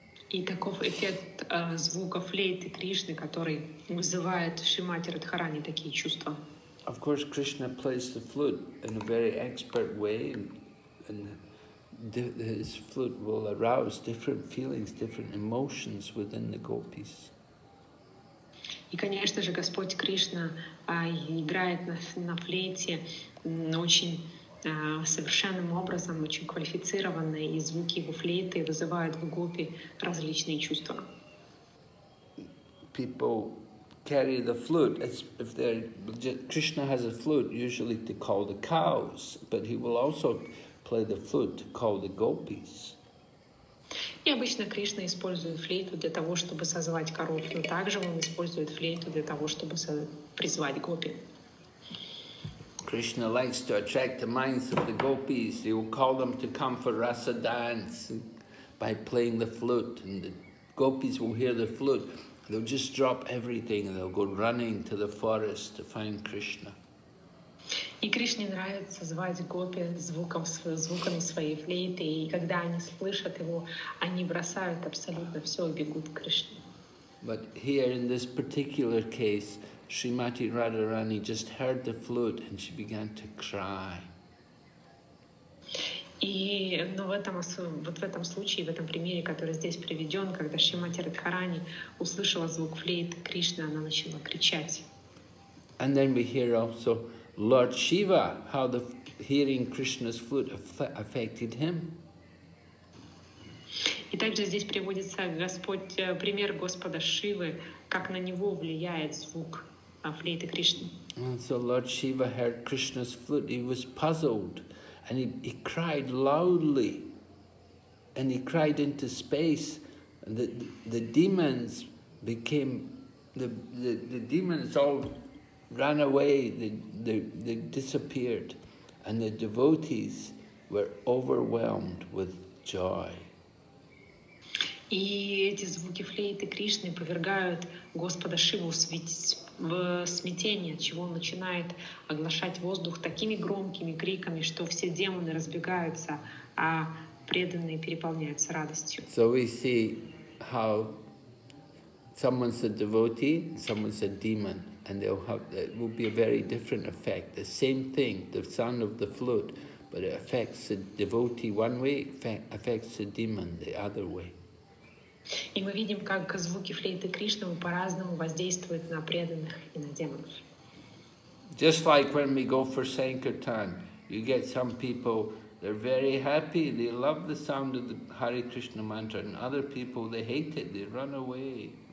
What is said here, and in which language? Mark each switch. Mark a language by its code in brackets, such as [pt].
[ru] И таков эффект звука флейты Кришны, который вызывает в Шримати Радхарани такие чувства. [en] Of course, Krishna plays the flute in a very expert way, and his flute will arouse different feelings, different emotions within the gopis. [ru] И, конечно же, Господь Кришна играет на флейте очень совершенным образом, очень квалифицированно, и звуки его флейты вызывают в гопи различные чувства. [en] People carry the flute as if they're Krishna has a flute usually to call the cows, but he will also play the flute to call the gopis. [ru] И обычно Кришна использует флейту для того, чтобы созвать коров, но также он использует флейту для того, чтобы призвать гопи. [en] Krishna likes to attract the minds of the gopis. He will call them to come for rasa dance by playing the flute, and the gopis will hear the flute. They'll just drop everything and they'll go running to the forest to find Krishna. [ru] И Кришне нравится звать гопи звуками своей флейты, и когда они слышат его, они бросают абсолютно все и бегут к Кришне. [en] But here in this particular case, Shrimati Radharani just heard the flute and she began to cry. [ru] В этом примере, который здесь приведен, когда Шримати Радхарани услышала звук флейты Кришны, она начала кричать. [en] And then we hear also Lord Shiva, how the hearing Krishna's flute affected him. [ru] И также здесь приводится пример Господа Шивы, как на него влияет звук флейты Кришны. [en] And so Lord Shiva heard Krishna's flute. He was puzzled. And he cried loudly, and he cried into space, and the demons all ran away, they disappeared, and the devotees were overwhelmed with joy. [ru] И эти звуки флейты Кришны повергают Господа Шиву в смятение, от чего он начинает оглашать воздух такими громкими криками, что все демоны разбегаются, а преданные переполняются радостью. [en] So we see how someone's a devotee, someone's a demon, and it will be a very different effect. The same thing, the sound of the flute, but it affects the devotee one way, affects the demon the other way. [ru] И мы видим, как звуки флейты Кришны по-разному воздействуют на преданных и на демонов. [en] Just like when we go for sankirtan, you get some people, they're very happy, they love the sound of the Hare Krishna mantra, and other people, they hate it, they run away.